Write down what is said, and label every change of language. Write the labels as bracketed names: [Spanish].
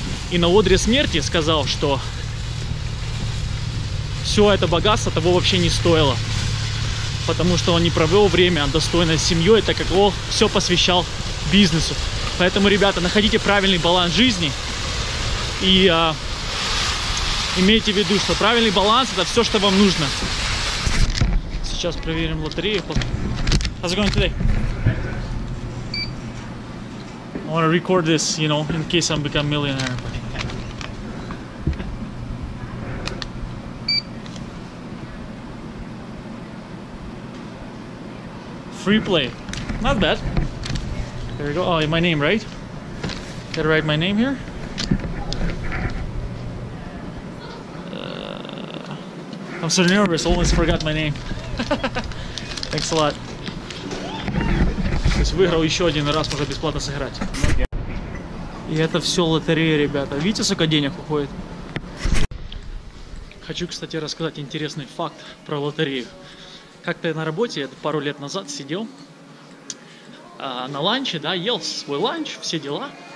[Russian] И на одре смерти сказал, что все это богатство того вообще не стоило, потому что он не провел время достойно с семьей, так как он все посвящал бизнесу. Поэтому, ребята, находите правильный баланс жизни и имейте в виду, что правильный баланс – это все, что вам нужно. Сейчас проверим лотерею. [English] How's it going today? I want to record this, you know, in case I become a millionaire. Free play. Not bad. There you go. Oh, my name, right? Did I write my name here? I'm so nervous, almost forgot my name. Thanks a lot. [Russian] То есть выиграл еще один раз, можно бесплатно сыграть. И это все лотерея, ребята. Видите, сколько денег уходит? Хочу, кстати, рассказать интересный факт про лотерею. Как-то я на работе, это пару лет назад, сидел на ланче, да, ел свой ланч, все дела.